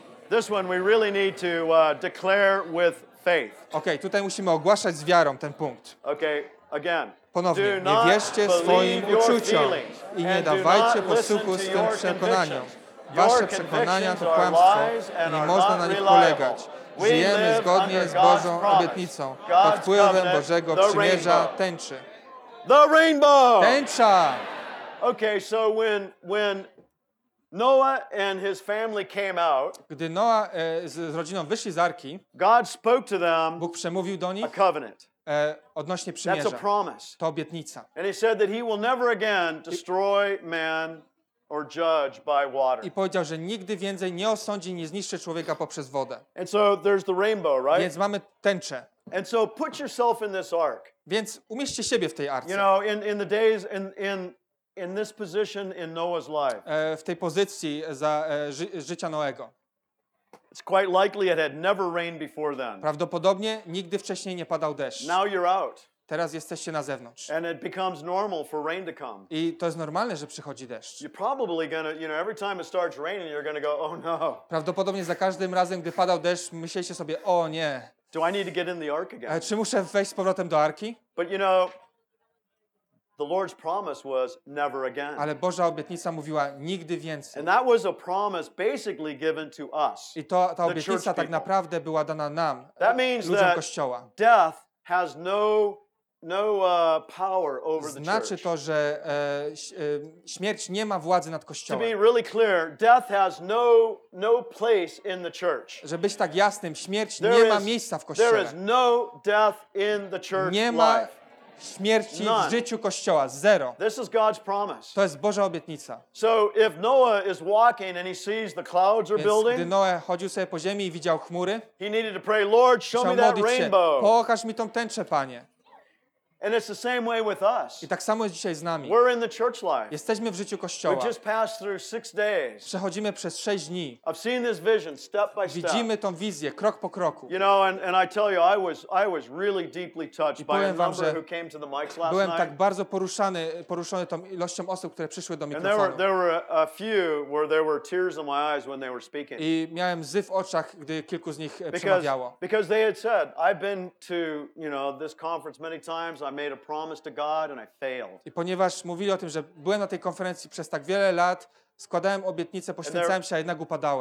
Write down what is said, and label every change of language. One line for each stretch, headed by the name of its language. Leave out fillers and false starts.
English: This one we really need to declare with faith.
Polish: Okay, tutaj musimy ogłaszać z wiarą ten punkt.
English: Okay, again.
Polish: Ponownie, nie wierzcie swoim uczuciom i nie dawajcie posłuchu swym przekonaniom. Wasze przekonania to kłamstwo i nie można na nich polegać. Żyjemy zgodnie z Bożą obietnicą. Pod wpływem Bożego przymierza tęczy.
English: The rainbow!
Polish: Tęcza!
English: Okay, so when Noah and his family came out.
Polish: Gdy Noah z rodziną wyszli z arki,
English: God spoke to them.
Polish: Bóg przemówił do nich.
English: A covenant.
Polish: Odnośnie przymierza.
English: That's a promise.
Polish: To obietnica.
English: And he said that he will never again destroy man or judge by water.
Polish: I powiedział, że nigdy więcej nie osądzi, nie zniszczy człowieka poprzez wodę.
English: And so there's the rainbow, right?
Polish: Więc mamy tęczę.
English: And so put yourself in this ark.
Polish: Więc umieśćcie siebie w tej arce.
English: You know, in the days in this position in Noah's life.
Polish: W tej pozycji za życia Noego.
English: It's quite likely it had never rained before then.
Polish: Prawdopodobnie nigdy wcześniej nie padał deszcz.
English: Now you're out.
Polish: Teraz jesteście na zewnątrz.
English: And it becomes normal for rain to come.
Polish: I to jest normalne, że przychodzi deszcz.
English: You're probably gonna, you know, every time it starts raining, you're gonna go, oh no.
Polish: Prawdopodobnie za każdym razem, gdy padał deszcz, myślicie sobie, o nie.
English: Do I need to get in the ark again?
Polish: Czy muszę wejść z powrotem do arki?
English: But you know, the Lord's promise was never again.
Polish: Ale Boża obietnica mówiła nigdy więcej.
English: And that was a promise basically given to us.
Polish: I to ta obietnica tak naprawdę była dana nam,
English: that means
Polish: ludziom kościoła.
English: That death has no power over the church.
Polish: Znaczy to, że śmierć nie ma władzy nad kościołem.
English: To be really clear, death has no place in the church.
Polish: Żeby być tak jasnym, śmierć nie ma miejsca w kościele.
English: There is no death in the church.
Polish: Nie ma śmierci w życiu kościoła, zero.
English: This is God's promise.
Polish: To jest Boża obietnica.
English: So if Noah is walking and he sees the clouds are building,
Polish: gdy Noah chodził sobie po ziemi i widział chmury,
English: he needed to pray, Lord, show me that rainbow.
Polish: Pokaż mi tą tęczę, Panie.
English: And it's the same way with us.
Polish: I tak samo jest dzisiaj z nami.
English: We're in the church life.
Polish: Jesteśmy w życiu kościoła.
English: We just passed through 6 days.
Polish: Przechodzimy przez 6 dni.
English: I've seen this vision step by step.
Polish: Widzimy tą wizję krok po kroku.
English: You know, and I tell you, I was really deeply touched by a number who came to the mics last night.
Polish: Byłem tak bardzo poruszony tą ilością osób, które przyszły do mikrofonu.
English: And there were a few where there were tears in my eyes when they were speaking.
Polish: I miałem łzy w oczach, gdy kilku z nich przemawiało.
English: Because they had said, I've been to, you know, this conference many times. I made a promise to God and I failed.
Polish: I ponieważ mówili o tym, że byłem na tej konferencji przez tak wiele lat, składałem obietnice, poświęcałem się, a jednak upadałem.